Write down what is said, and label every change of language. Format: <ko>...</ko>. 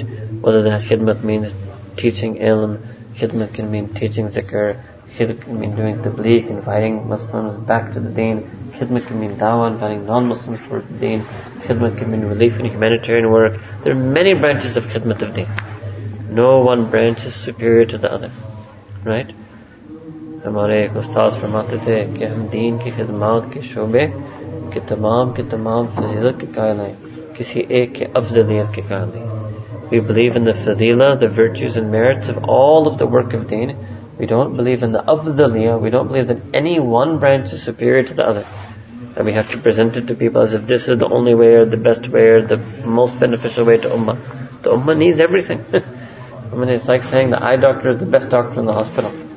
<en>Whether that khidmat means teaching ilm, khidmat can mean teaching zikr, khidmat can mean doing tabligh, inviting Muslims back to the deen. Khidmat can mean dawah, inviting non-Muslims for deen. Khidmat can mean relief in humanitarian work. There are many branches of khidmat of deen. No one branch is superior to the other. Right?</en> <ur>ہمارے ایک استاذ فرماتے تھے کہ ہم دین کی خدمت کے شعبے کے تمام فضیلت کے قائل ہیں۔ کسی ایک کے افضلیت کے قائل ہیں۔</ur> <en>We believe in the fazila, the virtues and merits of all of the work of deen. We don't believe in the afdaliya. We don't believe that any one branch is superior to the other. And we have to present it to people as if this is the only way or the best way or the most beneficial way to ummah. The ummah needs everything. I mean, it's like saying the eye doctor is the best doctor in the hospital.</en>